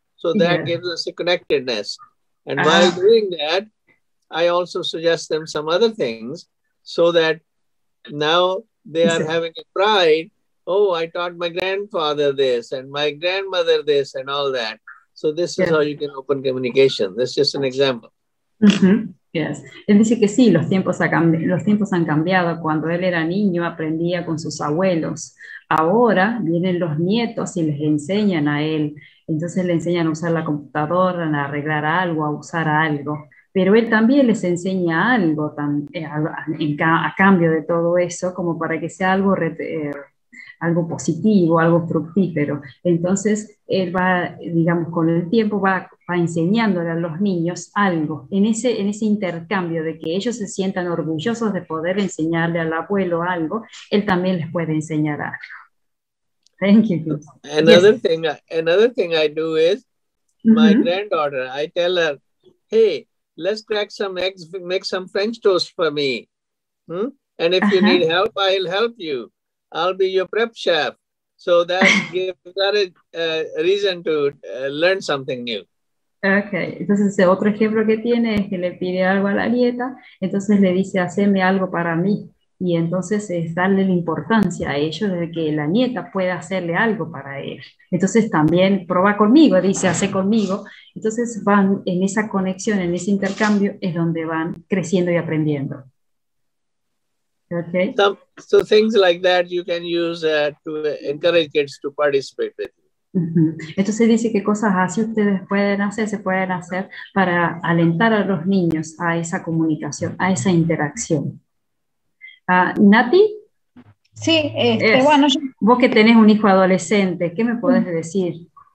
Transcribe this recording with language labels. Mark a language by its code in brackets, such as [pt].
[en] So that gives us a connectedness. And while doing that, I also suggest them some other things, so that now they are having a pride. Oh, I taught my grandfather this and my grandmother this and all that. So this is how you can open communication. This is just an example. [es] Él dice que sí, los tiempos han cambiado. Cuando él era niño, aprendía con sus abuelos. Ahora vienen los nietos y les enseñan a él. Entonces le enseñan a usar la computadora, a arreglar algo, a usar algo. Pero él también les enseña algo a cambio de todo eso, como para que sea algo positivo, algo fructífero. Entonces, él va, digamos, con el tiempo va enseñándole a los niños algo, en ese intercambio de que ellos se sientan orgullosos de poder enseñarle al abuelo algo, él también les puede enseñar algo. [en] Thank you. Another thing I do is, my granddaughter. I tell her, hey, let's crack some eggs, make some French toast for me. And if you need help, I'll help you. I'll be your prep chef. So that gives her a reason to learn something new. [es] Okay, entonces el otro ejemplo que tiene es que le pide algo a la nieta, entonces le dice, haceme algo para mí, y entonces es darle la importancia a ello de que la nieta pueda hacerle algo para él. Entonces también prueba conmigo, dice, hace conmigo, entonces van en esa conexión, en ese intercambio, es donde van creciendo y aprendiendo. [en] Okay. So things like that you can use to encourage kids to participate with. [es] Entonces dice que cosas así ustedes pueden hacer, se pueden hacer para alentar a los niños a esa comunicación, a esa interacción. ¿Nati? Sí, bueno. Vos que tenés un hijo adolescente, ¿qué me podés decir?